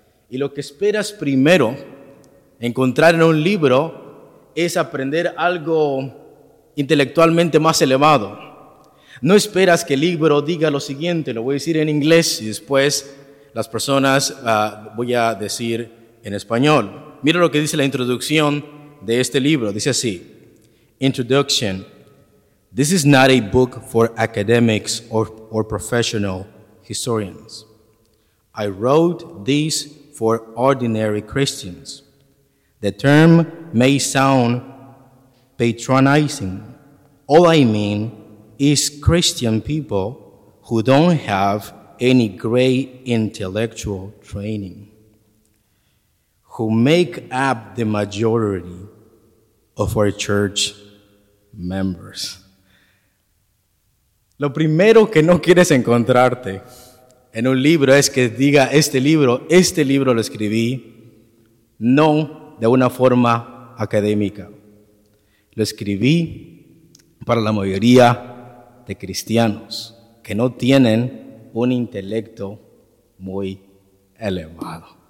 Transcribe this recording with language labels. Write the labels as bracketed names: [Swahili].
[Spanish] Y lo que esperas primero encontrar en un libro es aprender algo intelectualmente más elevado. No esperas que el libro diga lo siguiente, lo voy a decir en inglés y después las personas voy a decir en español. Mira lo que dice la introducción de este libro, dice así. [English] Introduction. This is not a book for academics or professional historians. I wrote this for ordinary Christians. The term may sound patronizing. All I mean is Christian people who don't have any great intellectual training, who make up the majority of our church members. [Spanish] Lo primero que no quieres encontrarte en un libro es que diga este libro lo escribí, no de una forma académica. Lo escribí para la mayoría de cristianos que no tienen un intelecto muy elevado.